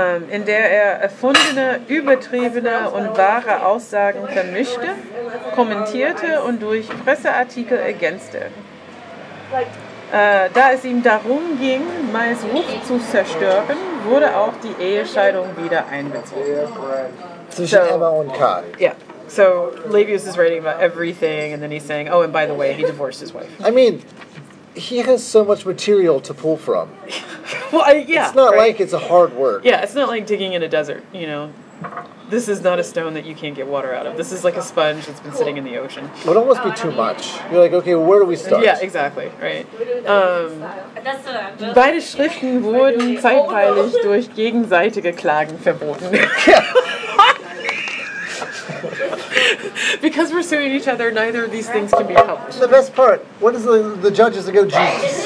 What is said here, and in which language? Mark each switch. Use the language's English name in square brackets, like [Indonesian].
[German] In der er erfundene, übertriebene und wahre Aussagen vermischte, kommentierte und durch Presseartikel ergänzte. Da es ihm darum ging, Mais Ruf zu zerstören, wurde auch die Ehescheidung wieder einbezogen. Zwischen Emma und Karl. [English] Yeah. So, Levius is writing about everything, and then he's saying, oh, and by the way, he divorced his wife. I mean, he has so much material to pull from. Well, It's not like it's a hard work. Yeah, it's not like digging in a desert, you know. this is not a stone that you can't get water out of. This is like a sponge that's been sitting in the ocean. It would almost be too much. You're like, okay, where do we start? Yeah, exactly, right. [German] Beide Schriften wurden zeitweilig durch gegenseitige Klagen verboten. [English] Because we're suing each other, neither of these things can be published. The best part, what is the judges that go, Jesus?